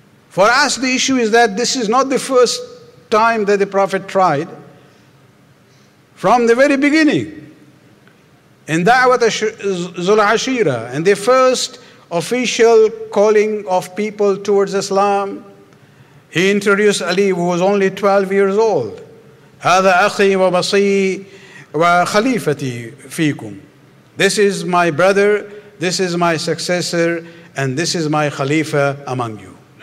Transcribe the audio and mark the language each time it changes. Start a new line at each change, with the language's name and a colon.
English: For us, the issue is that this is not the first time that the Prophet tried. From the very beginning, in Da'wat Zul-Ashira, in the first official calling of people towards Islam, he introduced Ali, who was only 12 years old.
Arabic: هذا أخي وبصي وخليفتي فيكم.
English: This is my brother, this is my successor, and this is my Khalifa among you.